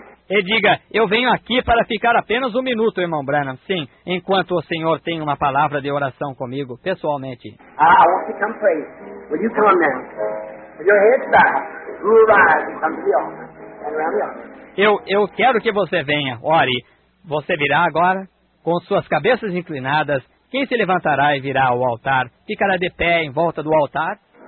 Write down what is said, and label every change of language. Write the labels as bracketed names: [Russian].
[Portuguese] E diga, eu venho aqui para ficar apenas um minuto, irmão Branham, sim, enquanto o senhor tem uma palavra de oração comigo, pessoalmente. [English] I want to come pray. Will you come now? With your head bowed, you arise and come to the altar. [Portuguese] Eu quero que você venha, ore. Você virá agora, com suas cabeças inclinadas. Quem se levantará e virá ao altar? Ficará de pé em volta do altar?